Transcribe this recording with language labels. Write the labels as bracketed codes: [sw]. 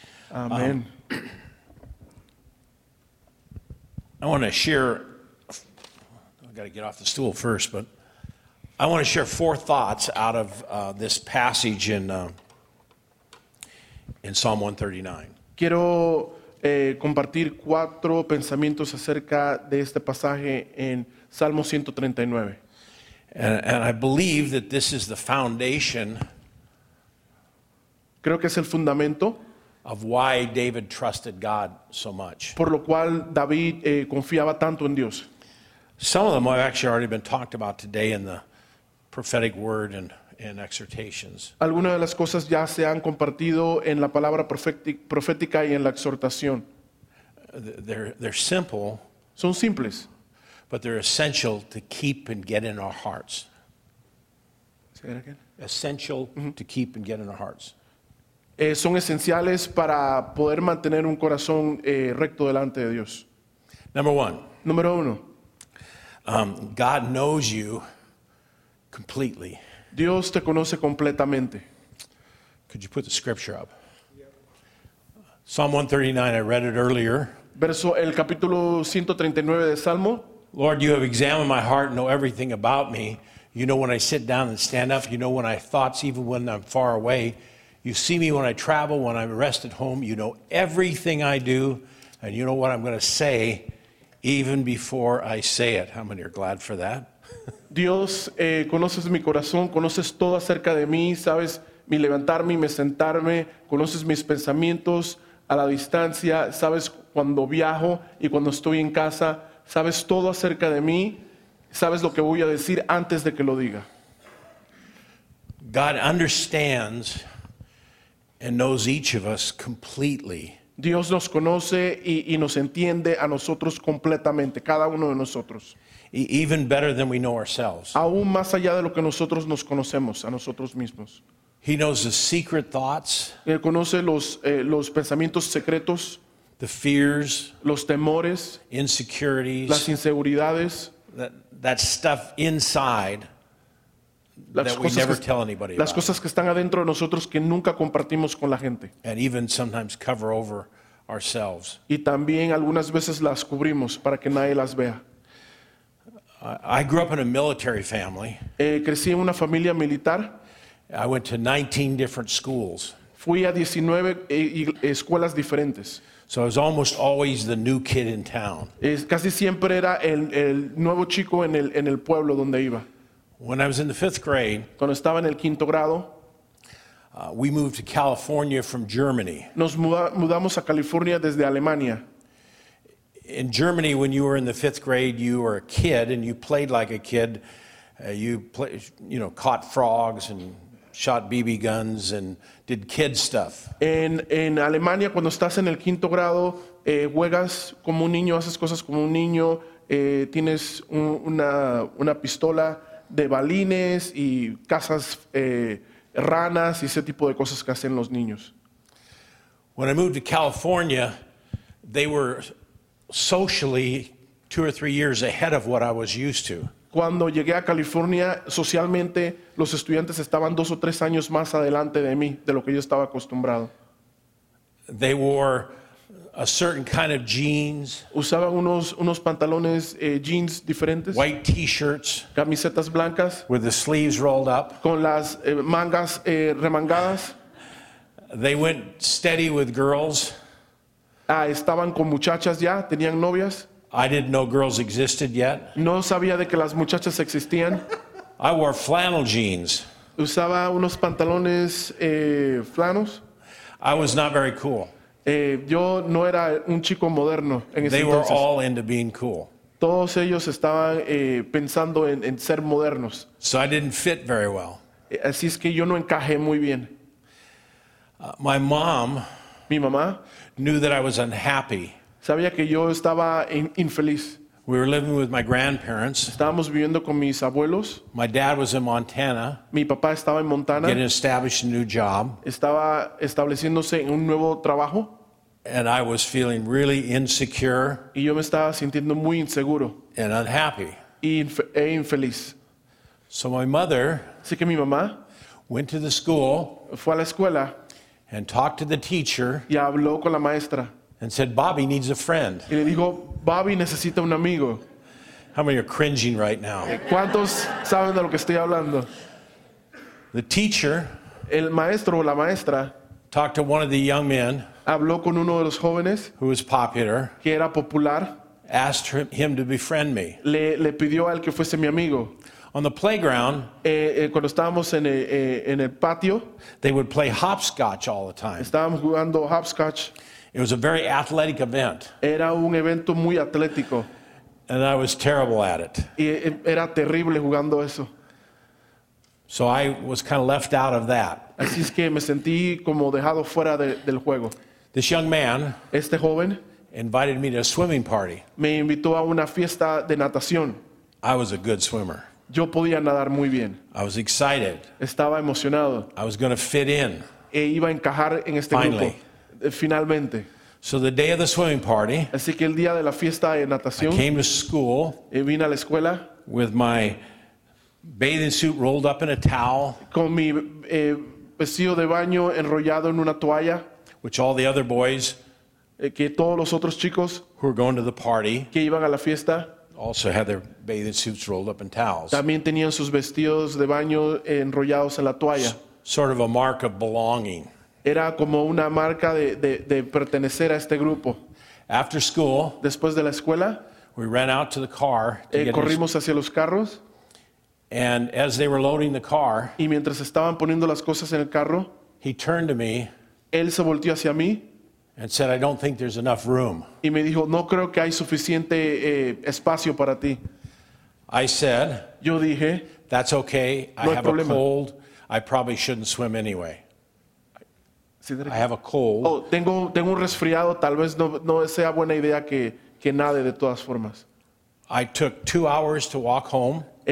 [en] Amen. I want to share, I've got to get off the stool first, but I want to share four thoughts out of this passage in Psalm 139. [es] Quiero compartir cuatro pensamientos acerca de este pasaje en Salmo 139. [en] And I believe that this is the foundation. [es] Creo que es el fundamento. [en] Of why David trusted God so much. [es] Por lo cual David confiaba tanto en Dios. [en] Some of them have actually already been talked about today in the prophetic word and exhortations. [es] Algunas de las cosas ya se han compartido en la palabra profética y en la exhortación. [en] They're simple. [es] Son simples. [en] But they're essential to keep and get in our hearts. Say that again. Essential to keep and get in our hearts. [es] Son esenciales para poder mantener un corazón recto delante de Dios. [en] Number one. [es] Número uno. [en] God knows you completely. [es] Dios te conoce completamente. [en] Could you put the scripture up? Yep. Psalm 139, I read it earlier. [es] Verso, el capítulo 139 de Salmo. [en] Lord, you have examined my heart and know everything about me. You know when I sit down and stand up. You know when I thoughts, even when I'm far away. You see me when I travel, when I rest at home. You know everything I do, and you know what I'm going to say even before I say it. How many are glad for that? [es] Dios, conoces mi corazón, conoces todo acerca de mí, sabes mi levantarme y mi sentarme, conoces mis pensamientos a la distancia, sabes cuando viajo y cuando estoy en casa, sabes todo acerca de mí, sabes lo que voy a decir antes de que lo diga. [en] God understands and knows each of us completely. [es] Dios nos conoce y nos entiende a nosotros completamente, cada uno de nosotros. [en] Even better than we know ourselves. [es] Aún más allá de lo que nosotros nos conocemos a nosotros mismos. [en] He knows the secret thoughts. [es] Él conoce los pensamientos secretos. [en] The fears. [es] Los temores. [en] Insecurities. [es] Las inseguridades. [en] That stuff inside. [es] Las [en] that we never tell anybody [es] las cosas [en] about. [es] Que están adentro de nosotros que nunca compartimos con la gente. [en] And even sometimes cover over ourselves. [es] Y también algunas veces las cubrimos para que nadie las vea. [en] I grew up in a military family. [es] Crecí en una familia militar. [en] I went to 19 different schools. [es] Fui a 19 escuelas diferentes. [en] So I was almost always the new kid in town. [es] Casi siempre era el nuevo chico en el pueblo donde iba. [en] When I was in the fifth grade, [es] cuando estaba en el quinto grado, [en] we moved to California from Germany. [es] Nos mudamos a California desde Alemania. [en] In Germany, when you were in the fifth grade, you were a kid and you played like a kid. Caught frogs and shot BB guns and did kid stuff. [es] En Alemania, cuando estás en el quinto grado, juegas como un niño, haces cosas como un niño, tienes una pistola de balines y cazas ranas y ese tipo de cosas que hacen los niños. [en] When I moved to California, they were socially 2 or 3 years ahead of what I was used to. [es] Cuando llegué a California, socialmente los estudiantes estaban 2 o 3 años más adelante de mí de lo que yo estaba acostumbrado. [en] They wore a certain kind of jeans. [es] Usaban unos pantalones jeans diferentes. [en] White t-shirts. [es] Camisetas blancas. [en] With the sleeves rolled up. [es] Con las mangas remangadas. [en] They went steady with girls. [es] Estaban con muchachas ya, tenían novias. [en] I didn't know girls existed yet. [es] No sabía de que las muchachas existían. [en] I wore flannel jeans. [es] Usaba unos pantalones flanos. [en] I was not very cool. [es] Yo no era un chico moderno en ese [en] they [es] entonces. [en] Were all into being cool. [es] Todos ellos estaban pensando en ser modernos. [en] So I didn't fit very well. [es] Así es que yo no encajé muy bien. [en] My mom, [es] mi mamá, [en] knew that I was unhappy. [es] Sabía que yo estaba infeliz. [en] We were living with my grandparents. [es] Estábamos viviendo con mis abuelos. [en] My dad was in Montana. [es] Mi papá estaba en Montana. [en] Getting established a new job. [es] Estaba estableciéndose en un nuevo trabajo. [en] And I was feeling really insecure. [es] Y yo me estaba sintiendo muy inseguro. [en] And unhappy. [es] E infeliz. [en] So my mother. [es] Así que mi mamá. [en] Went to the school. [es] Fue a la escuela. [en] And talked to the teacher. [es] Y habló con la maestra. [en] And said, "Bobby needs a friend." [es] Y le dijo, Bobby necesita un amigo. [en] How many are cringing right now? [es] ¿Cuántos saben de lo que estoy hablando? [en] The teacher, [es] el maestro o la maestra, [en] talked to one of the young men, [es] habló con uno de los jóvenes, [en] who was popular, [es] que era popular, [en] asked him to befriend me. [es] Le pidió a él que fuese mi amigo. [en] On the playground, [es] cuando estábamos en el patio, [en] they would play hopscotch all the time. [es] Estábamos jugando hopscotch. [en] It was a very athletic event. [es] Era un evento muy atlético. [en] And I was terrible at it. [es] Y era terrible jugando eso. [en] So I was kind of left out of that. [es] Así es que me sentí como dejado fuera del juego. [en] This young man, [es] este joven, [en] invited me to a swimming party. [es] Me invitó a una fiesta de natación. [en] I was a good swimmer. [es] Yo podía nadar muy bien. [en] I was excited. [es] Estaba emocionado. [en] I was going to fit in. [es] E iba a encajar en este [en] finally. [es] Grupo. Finalmente. [en] So the day of the swimming party, [es] así que el día de la fiesta de natación, [en] I came to school, [es] y vine a la escuela, [en] with my bathing suit rolled up in a towel, [es] con mi vestido de baño enrollado en una toalla, [en] which all the other boys, [es] que todos los otros chicos, [en] who were going to the party, [es] que iban a la fiesta, [en] also had their bathing suits rolled up in towels, [es] también tenían sus vestidos de baño enrollados en la toalla, [en] sort of a mark of belonging. [es] Era como una marca de pertenecer a este grupo. [en] After school, [es] después de la escuela, [en] we ran out to the car to [es] corrimos hacia los carros [en] And as they were loading the car, [es] y mientras estaban poniendo las cosas en el carro, [en] he turned to me, [es] él se volteó hacia mí, [en] and said, "I don't think there's enough room." [es] Y me dijo, "No creo que hay suficiente espacio para ti." [en] I said, [es] yo dije, [en] "That's okay. [es] No [en] I have [es] problema. [en] A cold. I probably shouldn't swim anyway. I have a cold." [es] Oh, tengo un resfriado. Tal vez no sea buena idea que nade de todas formas. [en] I took 2 hours to walk home.